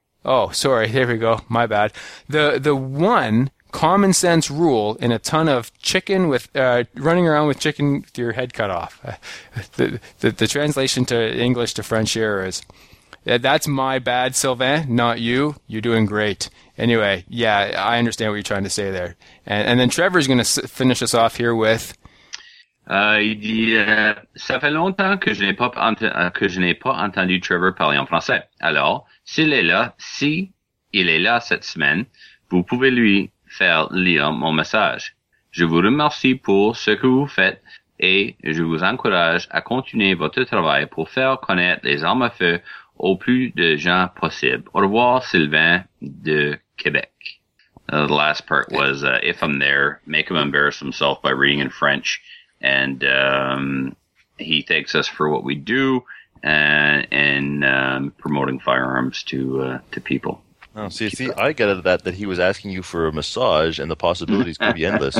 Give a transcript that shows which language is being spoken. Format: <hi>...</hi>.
<en>Oh, sorry, here we go. My bad. The one common sense rule in a ton of chicken with running around with chicken with your head cut off. The translation to English to French here is, that's my bad, Sylvain, not you. You're doing great. Anyway, yeah, I understand what you're trying to say there. And then Trevor's going to finish us off here with...</en> <fr>Ça fait longtemps que je n'ai pas entendu Trevor parler en français. Alors, s'il est là cette semaine, vous pouvez lui faire lire mon message. Je vous remercie pour ce que vous faites et je vous encourage à continuer votre travail pour faire connaître les armes à feu au plus de gens possible. Au revoir, Sylvain de Québec.</fr> <en>The last part was, if I'm there, make him embarrass himself by reading in French. And he thanks us for what we do and promoting firearms to people. Oh, see, I get that he was asking you for a massage, and the possibilities could be endless.</en>